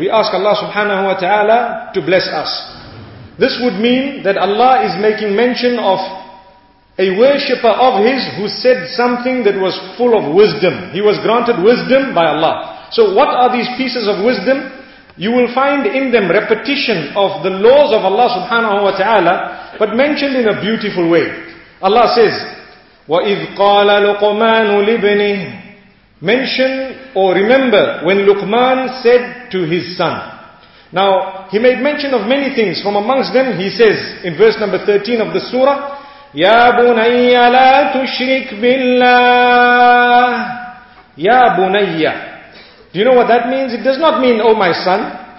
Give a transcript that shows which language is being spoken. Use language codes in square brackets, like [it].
[en] We ask Allah subhanahu wa ta'ala to bless us. This would mean that Allah is making mention of a worshipper of his who said something that was full of wisdom. He was granted wisdom by Allah. So what are these pieces of wisdom? You will find in them repetition of the laws of Allah subhanahu wa ta'ala, but mentioned in a beautiful way. Allah says, [ar] وَإِذْ قَالَ لُقْمَانُ لِبْنِهِ. [en] Mention or remember when Luqman said to his son. Now, he made mention of many things. From amongst them, he says in verse number 13 of the surah, [ar] Ya bunayya la tushrik billah. Ya bunayya. [en] Do you know what that means? It does not mean, oh my son.